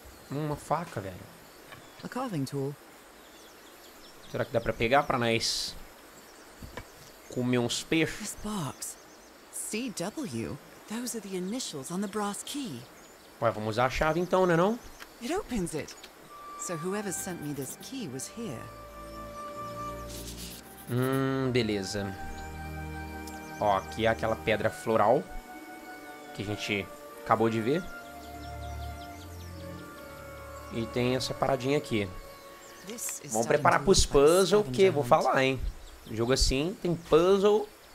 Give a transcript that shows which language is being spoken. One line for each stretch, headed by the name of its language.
Portuguese: Uma faca, velho.
English: A carving tool.
Portuguese: Será que dá pra pegar pra nós comer uns peixes?
English: This box. CW. Those are the initials on the brass key.
Portuguese: Ué, vamos usar a chave então, né não?
English: It opens it. So whoever sent me this key was here.
Portuguese: Beleza. Ó, aqui é aquela pedra floral que a gente acabou de ver. E tem essa paradinha aqui. Vamos preparar pros puzzles, o que? Vou falar, hein? Jogo assim, tem puzzle.